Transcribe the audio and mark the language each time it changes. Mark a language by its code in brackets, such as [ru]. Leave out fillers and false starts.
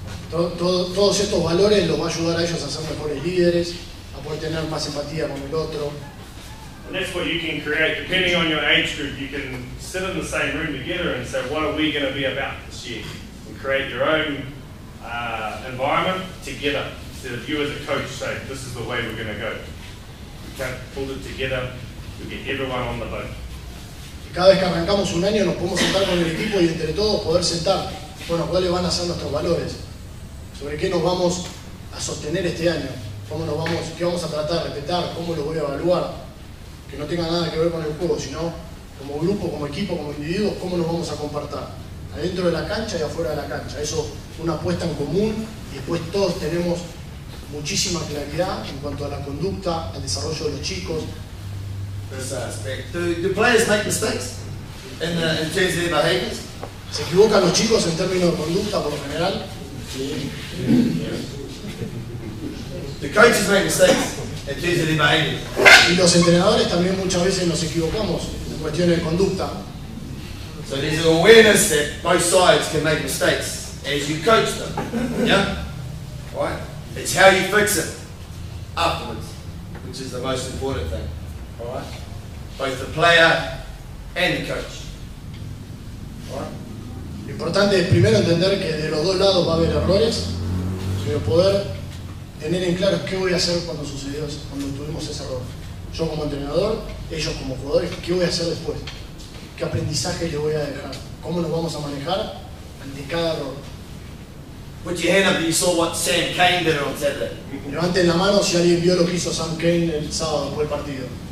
[es] Todos estos valores los va a ayudar a ellos a ser mejores líderes, a poder tener más empatía con el otro. [en] And that's what you can create. Depending on your age group, you can sit in the same room together and say, what are we going to be about this year? And create your own environment together. Instead of you as a coach say, this is the way we're going to go. We can pull it together, we get everyone on the boat. [es] Cada vez que arrancamos un año, nos podemos sentar con el equipo y entre todos poder sentar, bueno, cuáles van a ser nuestros valores, sobre qué nos vamos a sostener este año, cómo nos vamos, qué vamos a tratar de respetar, cómo lo voy a evaluar. Que no tenga nada que ver con el juego, sino como grupo, como equipo, como individuos, cómo nos vamos a comportar adentro de la cancha y afuera de la cancha. Eso es una apuesta en común y después todos tenemos muchísima claridad en cuanto a la conducta, al desarrollo de los chicos. [en] Do players make mistakes in terms of their behaviors? [es] ¿Se equivocan los chicos en términos de conducta por lo general? [en] The coaches make mistakes. [es] Y los entrenadores también muchas veces nos equivocamos en cuestiones de conducta. [en] So there's an awareness that both sides can make mistakes as you coach them. Yeah? Right? It's how you fix it afterwards, which is the most important thing. Right? Both the player and the coach. Right? [es] Lo importante es primero entender que de los dos lados va a haber errores, pero poder tener en claro qué voy a hacer cuando sucedió, cuando tuvimos ese error. Yo como entrenador, ellos como jugadores, qué voy a hacer después. Qué aprendizaje les voy a dejar. Cómo nos vamos a manejar ante cada error. [en] Put your hand up if you saw what Sam Kane did on Saturday. [es] Levanten la mano si alguien vio lo que hizo Sam Kane el sábado después del partido.